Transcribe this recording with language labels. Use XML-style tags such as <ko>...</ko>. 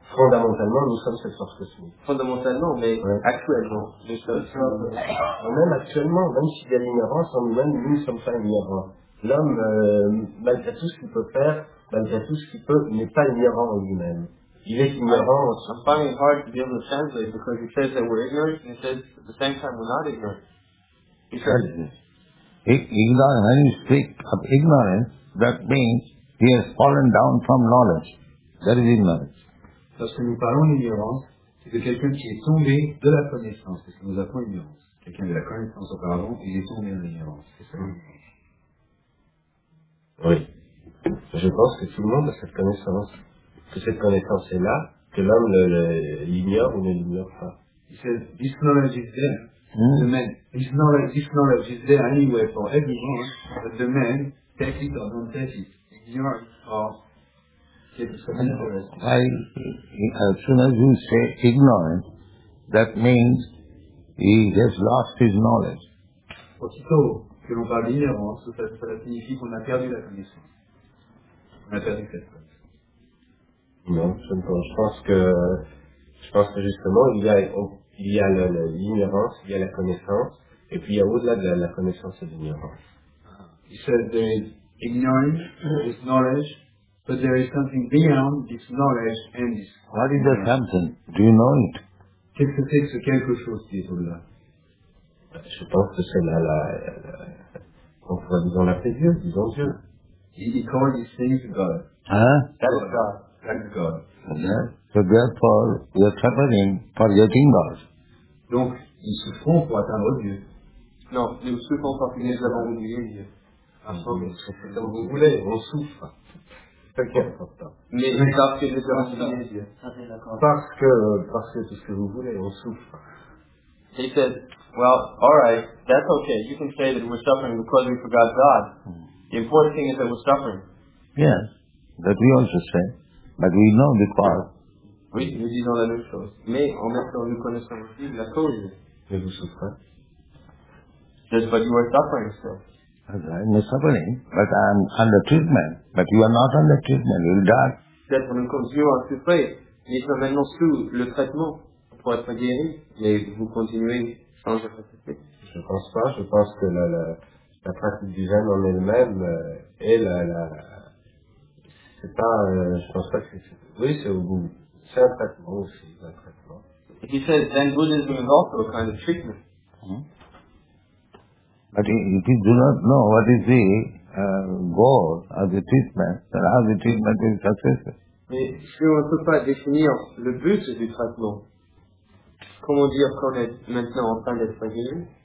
<fr>Fondamentalement, nous sommes cette force cosmique. Fondamentalement, mais actuellement, nous sommes. Même actuellement, même s'il y a l'ignorance en nous-mêmes, nous ne sommes pas ignorants. L'homme, malgré tout ce qu'il peut faire, malgré tout ce qu'il peut, il n'est pas ignorant en lui-même. Il est ignorant.</fr> <en>I'm finding it hard to be able to translate because he says that we're ignorant and he says at the same time we're not ignorant. Ignorant, when you speak of ignorance, that means he has fallen down from knowledge. That is ignorance.</en> <fr>Lorsque nous parlons d'ignorance, c'est de quelqu'un qui est tombé de la connaissance, parce que nous appelons ignorance. Quelqu'un de la connaissance auparavant, il est tombé en ignorance. C'est ça. Oui. Je pense que tout le monde a cette connaissance. Que cette connaissance est là, que l'homme l'ignore ou ne l'ignore pas.</fr> <en>He says, this knowledge is there. Mm. The man, this knowledge is there anyway for everyone, but the man takes it or don't take it. Ignore it or take it. As soon as you say ignorant, that means he has lost his knowledge.</en> <fr>Aussitôt que l'on parle d'ignorance, ça signifie qu'on a perdu la connaissance. Non, je pense que justement il y a l'ignorance, il y a la connaissance, et puis il y a au-delà de la connaissance et de l'ignorance.</fr> <en>He said there is ignorance, there is knowledge, but there is something beyond this knowledge and this. What is that something? Do you know it?</en> <fr>Qu'est-ce que c'est que ce quelque chose qui est au-delà? Je pense que c'est disons la paix de Dieu, disons Dieu.</fr> <en>He called these things God. Huh? That's God. So therefore, we are suffering for getting God.</en> <fr>Donc, ils souffrent pour atteindre Dieu. Non, nous souffrons parce que nous avons oublié Dieu. Donc vous voulez, on souffre. C'est très important. Mais c'est parce que nous avons oublié Dieu. Parce que c'est ce que vous voulez, on souffre.</fr> <en>He said, well, alright, that's okay. You can say that we're suffering because we forgot God. The important thing is that we're suffering. Yes, that we also say, but we know the cause.</en> <fr>Oui, nous disons la même chose. Mais en même temps, nous connaissons aussi la cause. Mais vous souffrez.</fr> <en>Yes, but you are suffering still. Okay, I'm suffering, but I'm under treatment. But you are not under treatment, you'll die.</en> <fr>C'est la même chose,</fr> <en>you are suffering.</en> <fr>Mais c'est maintenant sous le traitement pour être guéri. Mais vous continuez sans le traiter. Je ne pense pas, je pense que la pratique du jeûne en elle-même est la c'est pas je pense pas que c'est oui c'est au bout c'est un traitement aussi, un traitement.</fr> <en>He says, then Buddhism is also a kind of treatment. Hmm? But if you do not know what is the goal of the treatment, then how the treatment is successful?</en> <fr>Mais si on ne peut pas définir le but du traitement, comment dire qu'on est maintenant en train d'être guéri?</fr>